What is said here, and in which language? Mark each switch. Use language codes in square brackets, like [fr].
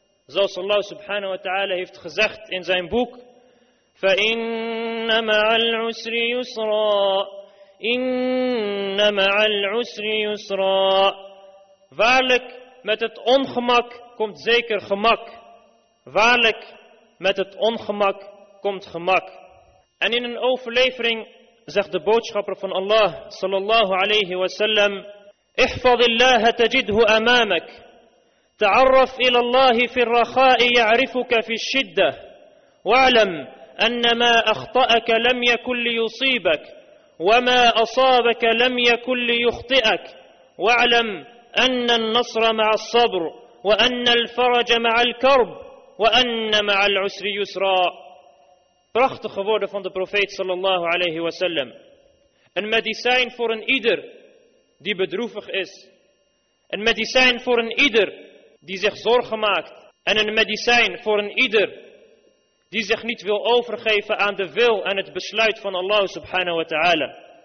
[nl] Zoals Allah subhanahu wa ta'ala heeft gezegd in zijn boek, [ar] فَإِنَّ مَعَ الْعُسْرِ يُسْرًا إِنَّ مَعَ الْعُسْرِ يُسْرًا. [nl] Waarlijk, met het ongemak komt zeker gemak. Waarlijk, met het ongemak komt gemak. En in een overlevering zegt de boodschapper van Allah sallallahu alayhi wa sallam, [ar] احفظ الله تجده أمامك تعرف إلى الله في الرخاء يعرفك في الشدة واعلم أن ما أخطأك لم يكن ليصيبك وما أصابك لم يكن ليخطئك واعلم أن النصر مع الصبر وأن الفرج مع الكرب وأن مع العسر يسرا. [nl] Prachtige woorden van de profeet sallallahu alayhi wa sallam. Een medicijn voor een ieder die bedroevig is. Een medicijn voor een ieder die zich zorgen maakt. En een medicijn voor een ieder die zich niet wil overgeven aan de wil en het besluit van Allah subhanahu wa ta'ala.